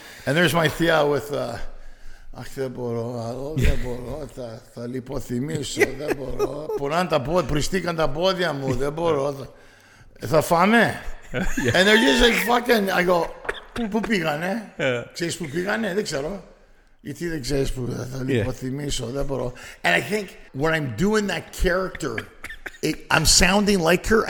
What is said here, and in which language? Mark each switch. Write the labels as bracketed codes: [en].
[en] And there's my tia with and they're just like fucking, I go, [el] πού πήγανε? Ξέρεις πού πήγανε? Δεν ξέρω. Γιατί δεν ξέρεις πού θα λιποθυμίσω, δεν μπορώ. [en] And I think when I'm doing that character, I'm sounding like her.